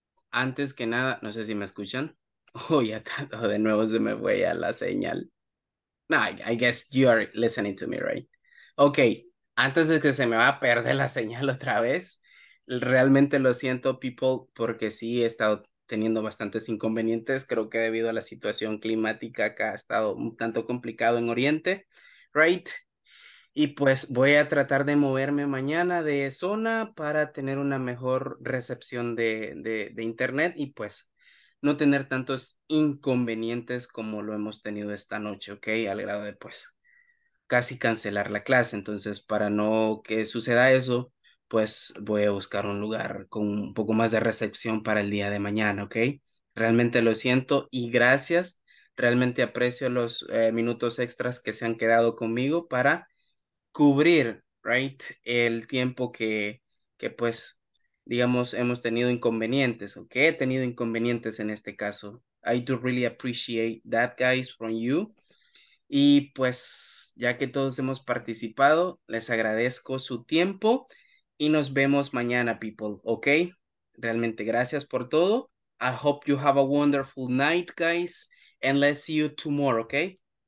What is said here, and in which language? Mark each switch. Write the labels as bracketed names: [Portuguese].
[Spanish] Antes que nada, no sé si me escuchan. Oh, ya tanto de nuevo se me fue ya la señal. [English] No, I guess you are listening to me, right? [Spanish] Okay, antes de que se me va a perder la señal otra vez, realmente lo siento, people, porque sí he estado teniendo bastantes inconvenientes. Creo que debido a la situación climática acá ha estado un tanto complicado en Oriente, right? Y pues voy a tratar de moverme mañana de zona para tener una mejor recepción de internet y pues no tener tantos inconvenientes como lo hemos tenido esta noche, ¿ok? Al grado de pues casi cancelar la clase. Entonces, para no que suceda eso, pues voy a buscar un lugar con un poco más de recepción para el día de mañana, ¿ok? Realmente lo siento y gracias. Realmente aprecio los minutos extras que se han quedado conmigo para cubrir, right, el tiempo que pues, digamos, hemos tenido inconvenientes, o que he tenido inconvenientes en este caso. [English] I do really appreciate that, guys, from you. [Spanish] Y pues, ya que todos hemos participado, les agradezco su tiempo y nos vemos mañana, people, ok? Realmente gracias por todo. [English] I hope you have a wonderful night, guys, and let's see you tomorrow, ok?